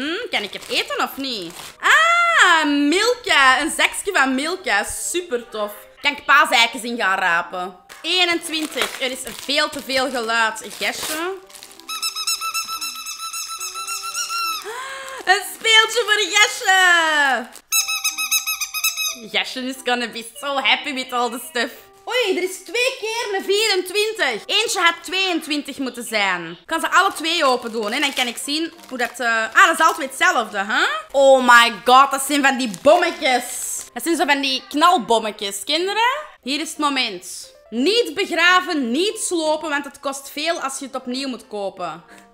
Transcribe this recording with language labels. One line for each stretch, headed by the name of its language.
Dutch: Kan ik het eten of niet? Ah, Milka. Een zakje van Milka. Super tof. Kan ik paaseikens in gaan rapen? 21. Er is veel te veel geluid. Gesje. Een speeltje voor Gesje.
English: Gesje is gonna be so happy with all the stuff.
Dutch: Oei, er is twee keer een 24. Eentje had 22 moeten zijn. Ik kan ze alle twee open doen en dan kan ik zien hoe dat... Ah, dat is altijd hetzelfde, hè? Huh?
English: Oh my god,
Dutch: dat zijn van die bommetjes. Dat zijn zo van die knalbommetjes, kinderen. Hier is het moment. Niet begraven, niet slopen, want het kost veel als je het opnieuw moet kopen.